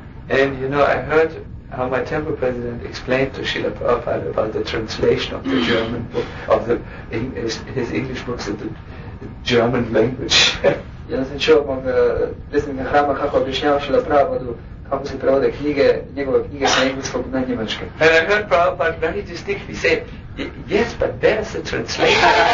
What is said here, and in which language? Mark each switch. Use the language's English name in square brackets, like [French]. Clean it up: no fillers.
[English] And you know, I heard how my temple president explained to Srila Prabhupada about the translation of the German book, of the his English books into German language. [Bosnian] Ja sam čuo od mog predsjednika hrama kako objašnjava Srila Prabhupada kako se prevode knjige, njegove knjige sa engleskog na njemačke. [English] And I heard Prabhupada very distinctly say, yes, but there's a translation.